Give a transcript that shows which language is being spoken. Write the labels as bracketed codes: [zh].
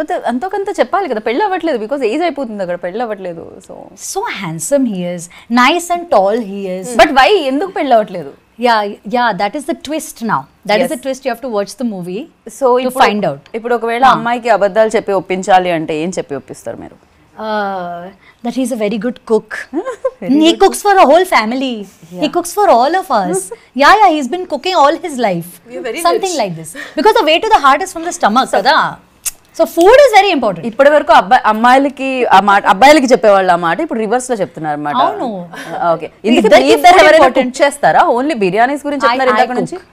[te] అంతకంత చెప్పాలి కదా పెళ్ళి అవ్వట్లేదు బికాస్ ఏజ్ అయిపోతుంది అక్కడ పెళ్ళి అవ్వట్లేదు so [en] so handsome heroes nice and tall heroes but why [te] ఎందుకు పెళ్ళి అవ్వట్లేదు [en] yeah that is the twist now that is the twist you have to watch the movie so to find out [te] ఇప్పుడు ఒకవేళ అమ్మాయికి అబద్ధాలు చెప్పి ఒప్పించాలి అంటే ఏం చెప్పి ఒప్పిస్తారు మీరు [en] that he's a very good cook. Very he good cooks for a whole family. Yeah. He cooks for all of us. Yeah, yeah, he's been cooking all his life. Something rich. Like this. Because the way to the heart is from the stomach, so, kada. So food is very important. [te] ఇప్పటి వరకు అబ్బాయి అమ్మాయిలకి ఆ మాట అబ్బాయిలకి చెప్పేవాళ్ళ మాట ఇప్పుడు reverse లో చెప్తున్నారు అన్నమాట. అవును. ఓకే. ఇద్దరికి ఇద్దరు ఎవరైనా కుక్ చేస్తారా? ఓన్లీ బిర్యానీస్ గురించి చెప్తున్నారు ఇంతక నుంచి.